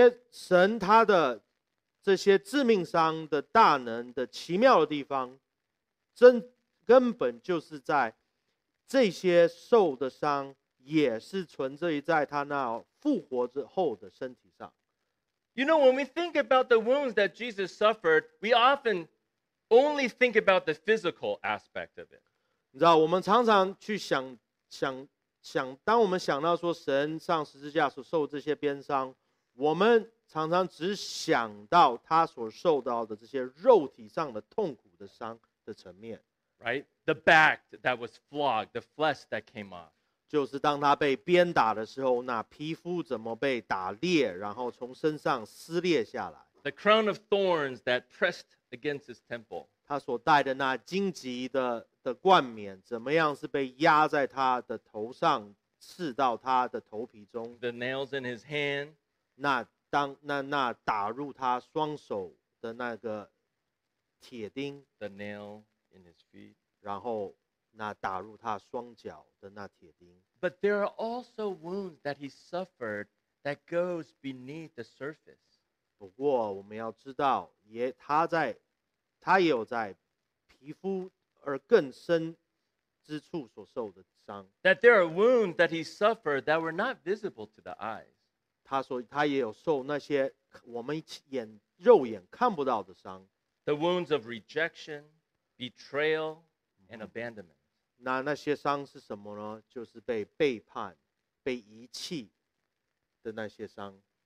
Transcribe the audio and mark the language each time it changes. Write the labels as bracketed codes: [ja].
[zh] 神他的这些致命伤的大能的奇妙的地方真根本就是在这些受的伤也是存在在他那复活之后的身体上。 [en] You know, when we think about the wounds that Jesus suffered, we often... Only think about the physical aspect of it. [zh] 你知道，我们常常去想，当我们想到说神上十字架所受这些鞭伤，我们常常只想到他所受到的这些肉体上的痛苦的伤的层面 [en] ，right? The back that was flogged, the flesh that came off. [zh] 就是当他被鞭打的时候，那皮肤怎么被打裂，然后从身上撕裂下来。 [en] The crown of thorns that pressed against his temple. [zh] 他所戴的那荆棘的冠冕，怎么样是被压在他的头上，刺到他的头皮中。 [en] The nails in his hand. [zh] 那打入他双手的那个铁钉。 [en] The nail in his feet. [zh] 然后那打入他双脚的那铁钉。 [en] But there are also wounds that he suffered that goes beneath the surface. [zh] 不过我们要知道也他也有在皮肤而更深之处所受的伤。 [en] That there are wounds that he suffered that were not visible to the eyes. [zh] 他也有受那些我们肉眼看不到的伤。 [en] The wounds of rejection, betrayal, and abandonment. [zh] 那些伤是什么呢？就是被背叛、被遗弃的那些伤。